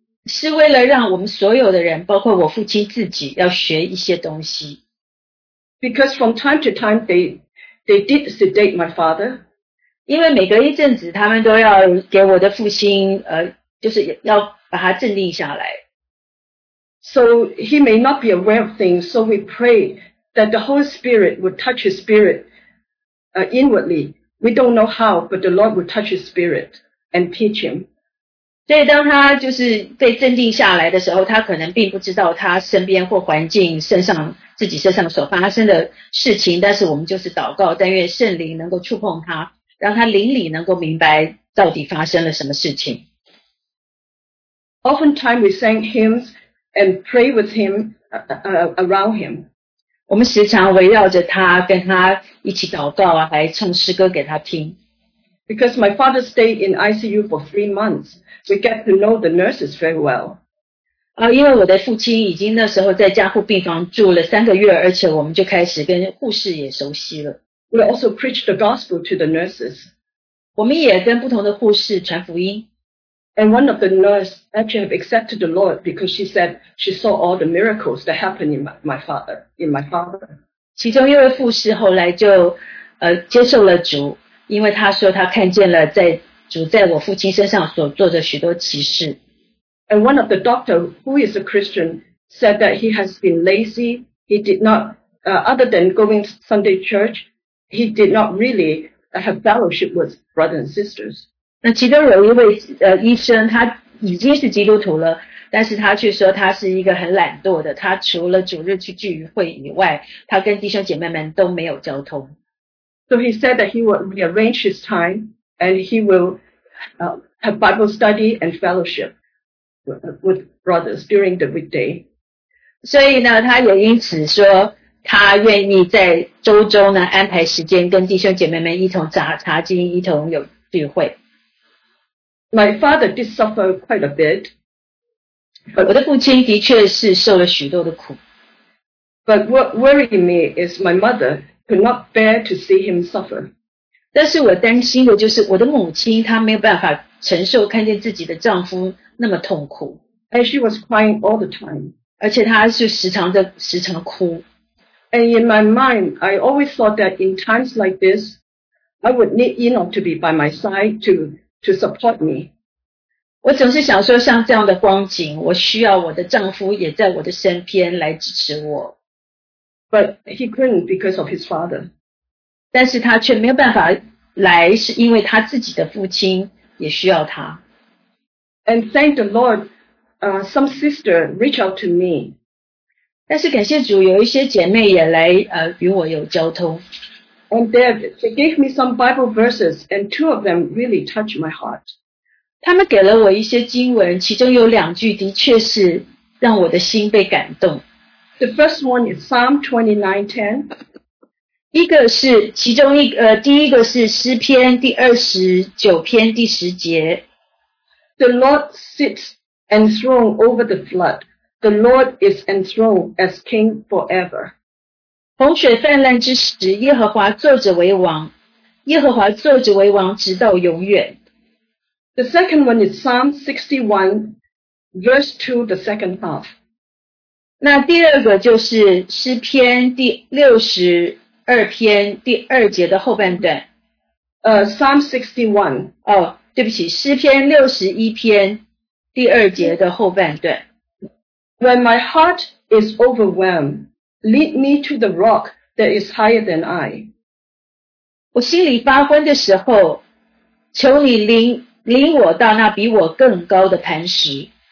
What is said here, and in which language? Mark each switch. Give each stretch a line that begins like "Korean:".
Chinese: 是为了让我们所有的人，包括我父亲自己，要学一些东西。
English: Because from time to time, they did sedate my father.
Chinese: 因为每隔一阵子，他们都要给我的父亲，就是要把他镇定下来。
English: So he may not be aware of things, so we pray that the Holy Spirit would touch his spirit. Inwardly, we don't know how, but the Lord will touch his spirit and teach him.
Chinese: 所以当他就是被镇定下来的时候，他可能并不知道他身边或环境身上自己身上所发生的事情，但是我们就是祷告，但愿圣灵能够触碰他，让他灵里能够明白到底发生了什么事情。
English: Oftentimes we sang hymns and pray with him around him.
Chinese: 我们时常围绕着他，跟他一起祷告啊，还唱诗歌给他听。
English: Because my father stayed in ICU for 3 months, we get to know the nurses very well.
Chinese: 因为我的父亲已经那时候在加护病房住了3个月，而且我们就开始跟护士也熟悉了。
English: We also preach the gospel to the nurses.
Chinese: 我们也跟不同的护士传福音。
English: And one of the nurses actually have accepted the Lord because she said she saw all the miracles that happened in my father.
Chinese: 其中一位护士后来就接受了主，因为她说她看见了在主在我父亲身上所做的许多奇事。
English: And one of the doctors who is a Christian said that he has been lazy. He did not, other than going to Sunday church, he did not really have fellowship with brothers and sisters.
Chinese: 那其中有一位医生，他已经是基督徒了，但是他却说他是一个很懒惰的，他除了主日去聚会以外，他跟弟兄姐妹们都没有交通。
English: So he said that he will rearrange his time and he will have Bible study and fellowship with brothers during the weekday.
Chinese: 所以呢，他也因此说他愿意在周中呢安排时间跟弟兄姐妹们一同查经，一同有聚会。
English: My father did suffer quite a bit.
Chinese: 我的父亲的确是受了许多的苦。
English: But what worried me is my mother could not bear to see him suffer.
Chinese: 但是我担心的就是我的母亲她没有办法承受看见自己的丈夫那么痛苦。
English: And she was crying all the time.
Chinese: 而且她是时常哭。
English: And in my mind, I always thought that in times like this, I would need Enoch to be by my side to support me.
Chinese: 我总是想说像这样的光景，我需要我的丈夫也在我的身边来支持我。
English: But he couldn't because of his father.
Chinese: 但是他却没有办法来，是因为他自己的父亲也需要他。
English: And thank the Lord, some sister reached out to me.
Chinese: 但是感谢主，有一些姐妹也来与我有交通。
English: And they gave me some Bible verses, and two of them really touched my heart.
Chinese: 他们给了我一些经文，其中有两句的确是让我的心被感动。
English: The first one is Psalm 29:10.
Chinese: 一个是其中一个，第一个是诗篇第29:10.
English: The Lord sits enthroned over the flood. The Lord is enthroned as king forever.
Chinese: 洪水泛滥之时，耶和华坐着为王，耶和华坐着为王直到永远。
English: The second one is Psalm 61:2, the second half.
Chinese: 那第二个就是诗篇第62:2的后半段。
English: Psalm 61.
Chinese: 对不起，诗篇61:2的后半段。
English: When my heart is overwhelmed,Lead me to the rock that is higher than I.
Chinese: 我心里发昏的时候，求你领我到那比我更高的磐石。